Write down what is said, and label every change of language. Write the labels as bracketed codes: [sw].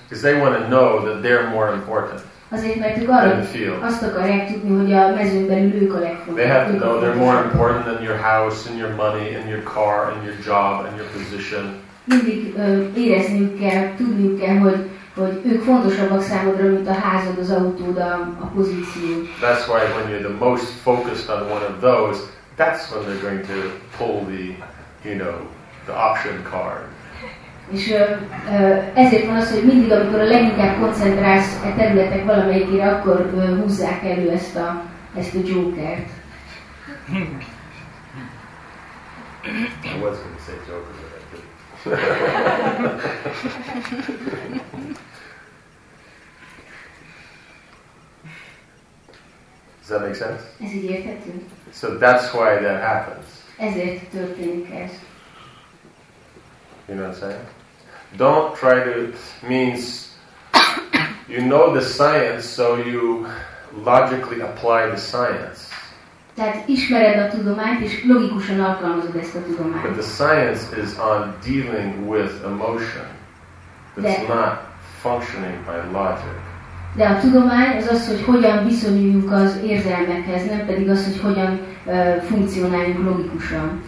[en] Because they want to know that they're more important. [hu] Azért, mert ők arra azt akarják tudni, hogy a mezőn belül ők a legfontosabbak. [en] They have to know they're more important than your house and your money and your car and your job and your position. [hu] Mindig érezniük kell, tudniuk kell, hogy ők fontosabbak számodra, mint a házad, az autód, a pozíció. [en] That's why when you're the most focused on one of those, that's when they're going to pull the option card. [hu] És ezért van az, hogy mindig, amikor a leginkább koncentrálsz a területek valamelyikére, akkor húzzák elő ezt a jokert. [en] I was going to say joker, but I didn't. Does that make sense? [hu] Ez így érthető. [en] So that's why that happens. [hu] Ezért történik ez. [en] You know what I'm saying? Don't try to, means you know the science, so you logically apply the science. [hu] Tehát ismered a tudományt, és logikusan alkalmazod ezt a tudományt. [en] But the science is on dealing with emotion. It's not functioning by logic. [hu] De a tudomány az, hogy hogyan viszonyuljunk az érzelmekhez, nem pedig az, hogy hogyan funkcionáljunk logikusan.